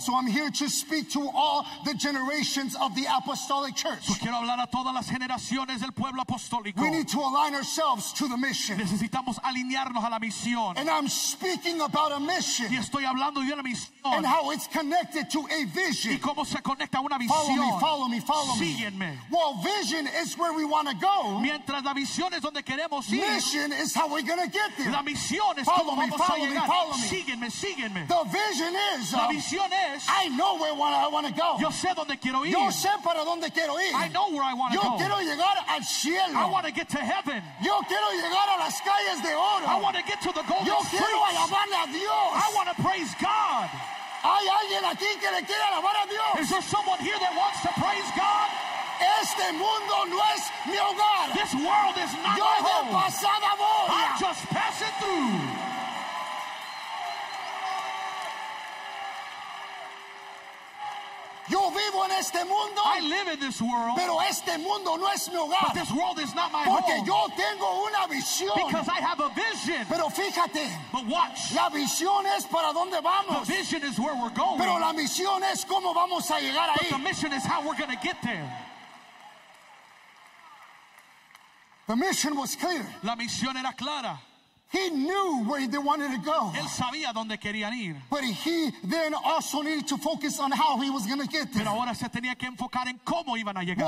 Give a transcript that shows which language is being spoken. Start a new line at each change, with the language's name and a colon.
English: So I'm here to speak to all the generations of the apostolic church.
Spanish: Quiero hablar a todas las generaciones del pueblo apostólico.
English: We need to align ourselves to the mission.
Spanish: Necesitamos alinearnos a la misión.
English: And I'm speaking about a mission.
Spanish: Y estoy hablando de una misión.
English: And how it's connected to a vision.
Spanish: Y cómo se conecta a una visión.
English: Follow me, follow me, follow me.
Spanish: Síguenme.
English: Well, vision is where we want to go.
Spanish: Mientras la visión es donde queremos ir.
English: Mission is how we're going to get there.
Spanish: La misión es cómo vamos a llegar.
English: Follow me, follow me.
Spanish: Sígueme, sígueme.
English: The vision is.
Spanish: La visión es.
English: I know where I want to go.
Spanish: Yo sé dónde quiero ir. Yo sé para dónde quiero ir.
English: I know where I want to go.
Spanish: Yo quiero llegar al cielo.
English: I want to get to heaven.
Spanish: Yo quiero llegar a las calles de oro.
English: I want to get to the golden streets.
Spanish: Yo quiero alabar a Dios.
English: I want to praise God.
Spanish: Hay alguien aquí que le quiere alabar a Dios.
English: Is there someone here that wants to praise God?
Spanish: Este mundo no es mi hogar.
English: This world is not
Spanish: yo
English: my home.
Spanish: De pasada voy.
English: I'm just passing through.
Spanish: Yo vivo en este mundo.
English: I live in this world.
Spanish: Pero este mundo no es mi hogar.
English: But this world is not my
Spanish: porque
English: home.
Spanish: Yo tengo una visión.
English: Because I have a vision.
Spanish: Pero fíjate.
English: But watch.
Spanish: La visión es para dónde vamos.
English: The vision is where we're going.
Spanish: Pero la misión es cómo vamos a llegar
English: but
Spanish: ahí.
English: The mission is how we're going to get there. The mission was clear.
Spanish: La misión era clara.
English: He knew where they wanted to go.
Spanish: Él sabía dónde querían ir.
English: But he then also needed to focus on how he was going to get there.
Spanish: Pero ahora se tenía que enfocar en cómo iban a llegar.